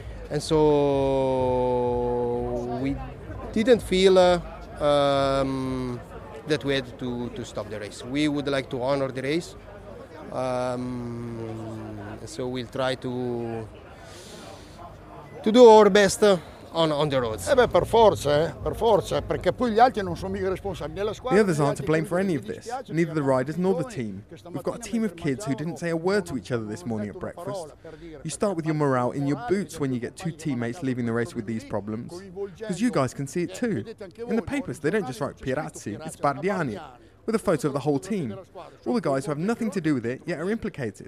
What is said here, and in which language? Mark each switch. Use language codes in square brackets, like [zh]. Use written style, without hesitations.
[en] And so we didn't feel that we had to stop the race. We would like to honor the race. So we'll try to do our best on the roads. [it] Eh beh, per forza, perché poi gli altri non sono mica responsabili della squadra. [en] The others aren't to blame for any of this, neither the riders nor the team. We've got a team of kids who didn't say a word to each other this morning at breakfast. You start with your morale in your boots when you get two teammates leaving the race with these problems, because you guys can see it too. In the papers, they don't just write Pirazzi, it's Bardiani, with a photo of the whole team, all the guys who have nothing to do with it yet are implicated.